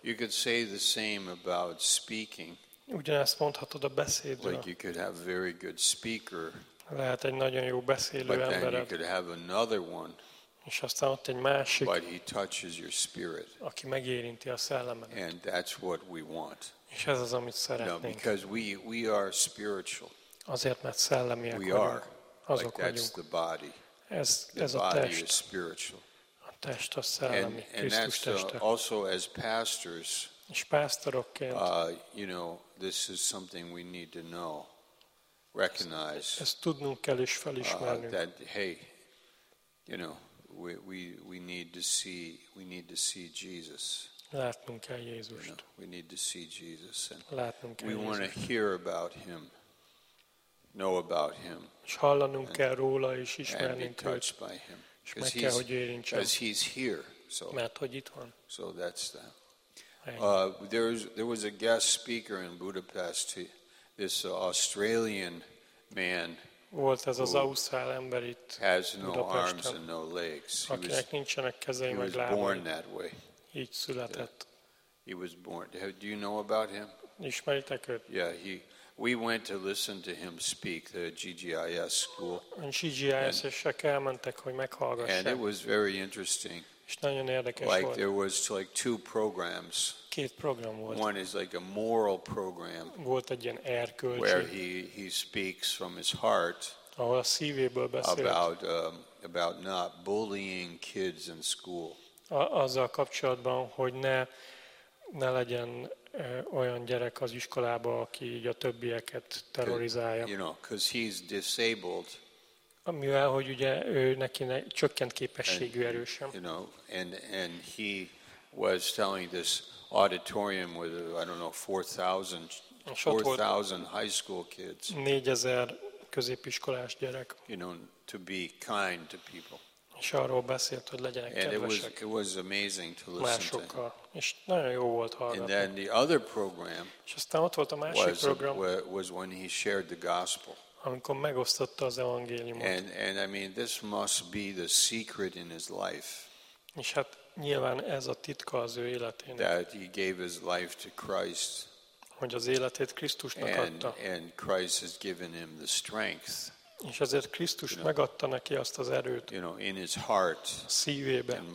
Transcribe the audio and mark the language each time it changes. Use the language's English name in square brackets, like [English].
[English] You could say the same about speaking. [Hungarian] Ugyanezt mondhatod a beszédről. [English] Like you could have a very good speaker. [Hungarian] Lehet egy nagyon jó beszélő embered. [English] But then you could have another one. [Hungarian] És aztán ott egy másik, [English] but he touches your spirit. [Hungarian] Aki megérinti a szellemedet. [English] And that's what we want. [Hungarian] És ez az, amit szeretnénk. [English] No, because we are spiritual. [Hungarian] Azért, mert szellemiek [English] we [Hungarian] vagyunk. [English] Are. [Hungarian] Azok [English] like [Hungarian] vagyunk. [English] That's the body. [Hungarian] Ez [English] the [Hungarian] a [English] body [Hungarian] test. [English] Is spiritual. [Hungarian] A test a szellemi, [English] and [Hungarian] Krisztus teste. [English] Also as pastors, [Hungarian] és pásztorokként, [English] you know, this is something we need to know, recognize. [Hungarian] Ezt tudnunk kell és felismernünk. [English] That, hey, you know, we need to see Jesus. [Hungarian] Látnunk kell Jézust. [English] You know, we need to see Jesus and [Hungarian] látnunk kell [English] we want to hear about him, know about him. [Hungarian] És hallanunk kell róla és ismernünk őt. [English] And be touched by him. [Hungarian] És meg kell, hogy érintsen. [English] Because he's here. So, [Hungarian] mert hogy itt van. [English] So that's that. There was a guest speaker in Budapest, this Australian man. [Hungarian] Volt ez az ausztrál ember itt Budapesten. [English] Has no arms and no legs. [Hungarian] Akinek nincsenek kezei meg lábai. [English] He was born that way. [Hungarian] Így született. [English] He was born. Do you know about him? [Hungarian] Ismeritek őt? [English] Yeah, we went to listen to him speak the GGIS school. [Hungarian] And GGIS-esek elmentek, hogy meghallgassák. [English] And it was very interesting. [Hungarian] És nagyon érdekes volt. [English] Like there was like two programs. [Hungarian] Két program volt. [English] One is like a moral program. [Hungarian] Volt egy ilyen erkölcsi. [English] Where he speaks from his heart. [Hungarian] Ahol a szívéből beszélt. [English] About not bullying kids in school. [Hungarian] Azzal kapcsolatban, hogy ne legyen olyan gyerek az iskolába, aki így a többieket terrorizálja. [English] You know, because he's disabled. [Hungarian] Mivel, hogy ugye ő neki csökkent képességű erősen. [English] You know, and he was telling this auditorium with I don't know 4,000 high school kids. [Hungarian] 4,000 középiskolás gyerek. [English] You know, to be kind to people. [Hungarian] És arról beszélt, hogy legyenek [English] and [Hungarian] kedvesek. [English] It was amazing to listen [Hungarian] másokkal. [English] To him. [Hungarian] És nagyon jó volt hallgatni. [English] And then the other program. [Hungarian] És aztán ott volt a másik program. [English] Was when he shared the gospel. [Hungarian] Amikor megosztotta az evangéliumot. [English] And I mean this must be the secret in his life. [Hungarian] És hát nyilván ez a titka az ő életének. [English] That he gave his life to Christ. [Hungarian] Hogy az életét Krisztusnak adta. [English] And Christ has given him the strength. [Hungarian] És azért Krisztus [English] you know, [Hungarian] megadta neki azt az erőt. [English] You know, in his heart, [Hungarian] szívében,